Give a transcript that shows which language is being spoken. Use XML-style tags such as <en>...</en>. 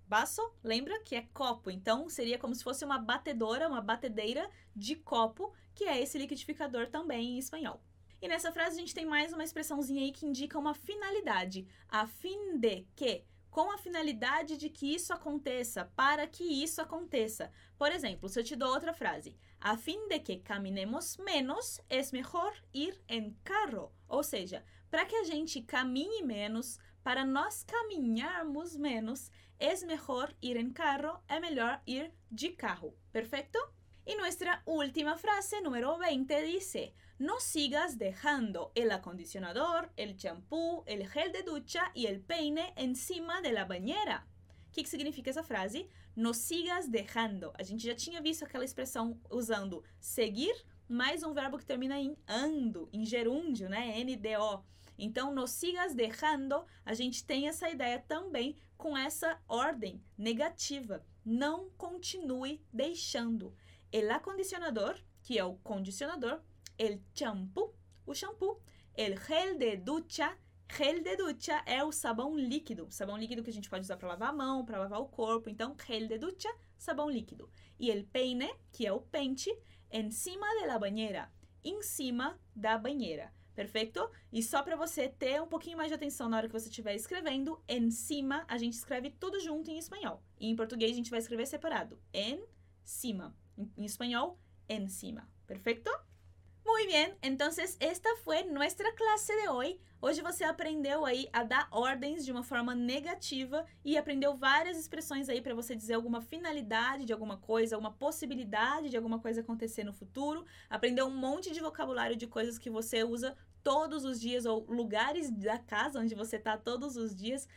<pt>Vaso, lembra que é copo, então seria como se fosse uma batedora, uma batedeira de copo, que é esse liquidificador também em espanhol. E nessa frase a gente tem mais uma expressãozinha aí que indica uma finalidade. A fim de que, com a finalidade de que isso aconteça, para que isso aconteça. Por exemplo, se eu te dou outra frase.</pt> <es>A fim de que caminemos menos, es mejor ir en carro.</es> <pt>Ou seja, para que a gente caminhe menos, para nós caminharmos menos,</pt> <es>es mejor ir en carro,</es> <pt>é melhor ir de carro. Perfeito? E nossa última frase, número 20, diz:</pt> <es>No sigas dejando el acondicionador, el champú, el gel de ducha y el peine encima de la bañera.</es> <pt>O que significa essa frase?</pt> <es>No sigas dejando.</es> <pt>A gente já tinha visto aquela expressão usando seguir, mais um verbo que termina em ando, em gerúndio, né? N-D-O. Então,</pt> <es>no sigas dejando,</es> <pt>a gente tem essa ideia também com essa ordem negativa. Não continue deixando. El acondicionador, que é o condicionador, o shampoo,</pt> <es>el gel de ducha</es> <pt>é o sabão líquido que a gente pode usar para lavar a mão, para lavar o corpo, então gel de ducha, sabão líquido. E el peine, que é o pente,</pt> <es>encima de la bañera,</es> <pt>em cima da banheira, perfeito? E só para você ter um pouquinho mais de atenção na hora que você estiver escrevendo, encima a gente escreve tudo junto em espanhol, e em português a gente vai escrever separado, en cima.</pt> <es>En español, encima. ¿Perfecto? Muy bien, entonces esta fue nuestra clase de hoy.</es> <pt>Hoje você aprendeu aí a dar ordens de uma forma negativa e aprendeu várias expressões aí para você dizer alguma finalidade de alguma coisa, alguma possibilidade de alguma coisa acontecer no futuro. Aprendeu um monte de vocabulário de coisas que você usa todos os dias ou lugares da casa onde você está todos os dias.</pt>